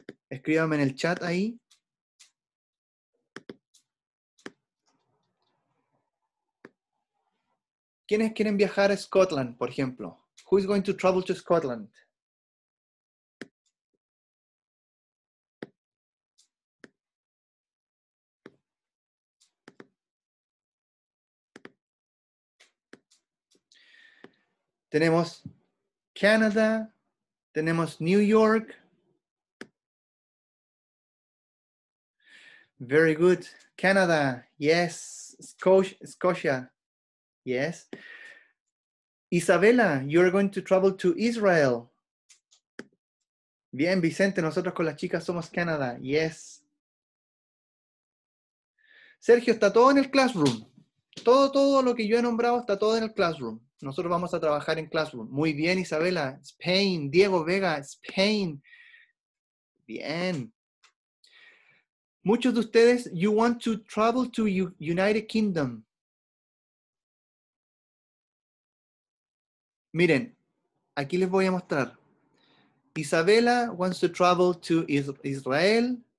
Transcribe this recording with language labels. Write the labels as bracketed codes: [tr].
[es] Escríbame en el chat ahí. ¿Quiénes quieren viajar a Scotland, por ejemplo? [en] Who is going to travel to Scotland? [es] Tenemos Canada, tenemos New York. [en] Very good. Canada, yes. Scotia, yes. Isabela, you're going to travel to Israel. [es] Bien, Vicente, nosotros con las chicas somos Canada, yes. Sergio, está todo en el classroom. Todo lo que yo he nombrado está todo en el classroom. Nosotros vamos a trabajar en classroom. Muy bien, Isabela. Spain. Diego Vega. Spain. Bien. Muchos de ustedes, [en] you want to travel to United Kingdom. [es] Miren, aquí les voy a mostrar. [en] Isabela wants to travel to Israel.